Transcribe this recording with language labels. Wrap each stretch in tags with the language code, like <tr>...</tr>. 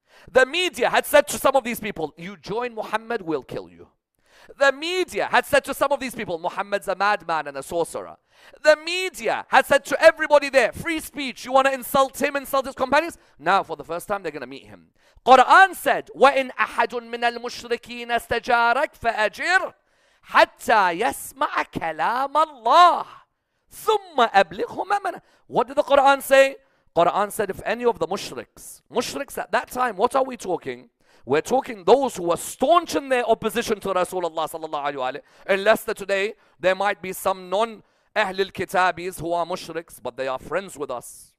<en>The media had said to some of these people, you join Muhammad, we'll kill you. The media had said to some of these people, Muhammad's a madman and a sorcerer. The media had said to everybody there, free speech, you want to insult him, insult his companions? Now, for the first time, they're going to meet him. Quran said,</en> <ar>وَإِنْ أَحَدٌ مِنَ الْمُشْرِكِينَ اسْتَجَارَكْ فَأَجِرْ حَتَّى يَسْمَعَ كَلَامَ اللَّهِ ثُمَّ أَبْلِغْهُ مَمَنَ.</ar> <en>What did the Quran say? Quran said, if any of the mushriks at that time, what are we talking? We're talking those who were staunch in their opposition to Rasulullah sallallahu alayhi wa sallam. In Leicester today, there might be some non-Ahlul Kitabis who are mushriks, but they are friends with us.</en>